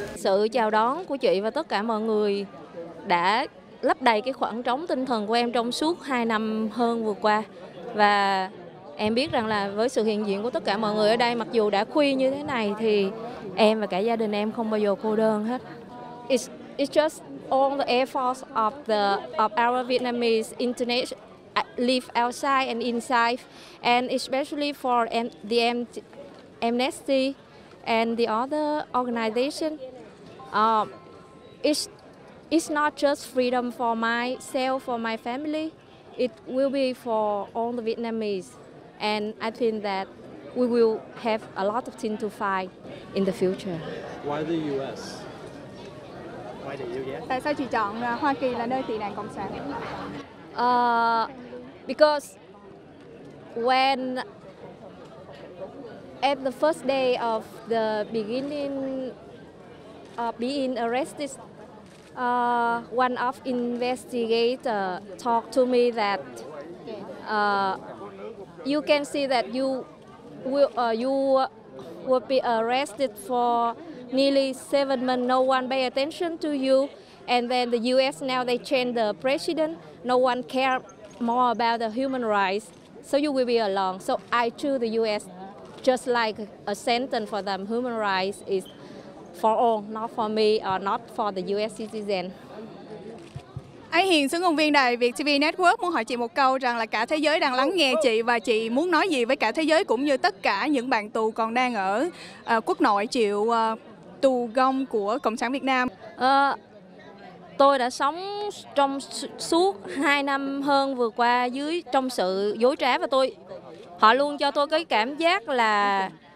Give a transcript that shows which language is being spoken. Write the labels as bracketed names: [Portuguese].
[Vietnamese] Sự chào đón của chị và tất cả mọi người đã lấp đầy cái khoảng trống tinh thần của em trong suốt 2 năm hơn vừa qua, và em biết rằng là với sự hiện diện của tất cả mọi người ở đây, mặc dù đã khuya như thế này thì em và cả gia đình em không bao giờ cô đơn hết. [English] It's just all the efforts of our Vietnamese internet live outside and inside, and especially for the Amnesty and the other organization. It's not just freedom for myself, for my family. It will be for all the Vietnamese, and I think that we will have a lot of things to fight in the future. Why the U.S.? [Vietnamese] Tại sao chị chọn Hoa Kỳ là nơi tị nạn cộng sản? [English] Because when at the first day of the beginning of being arrested, one of investigator talked to me that you can see that you will be arrested for nearly 7 months, no one pay attention to you, and then the U.S. now they change the president, no one care more about the human rights, so you will be alone. So I choose the U.S. just like a sentence for them. Human rights is for all, not for me or not for the U.S. citizen. [Vietnamese] Ái Hiền, xứng công viên đài Việt TV Network muốn hỏi chị một câu rằng là cả thế giới đang lắng nghe chị, và chị muốn nói gì với cả thế giới cũng như tất cả những bạn tù còn đang ở quốc nội chịu tù gông của Cộng sản Việt Nam? Tôi đã sống trong suốt 2 năm hơn vừa qua dưới trong sự dối trá, và họ luôn cho tôi cái cảm giác là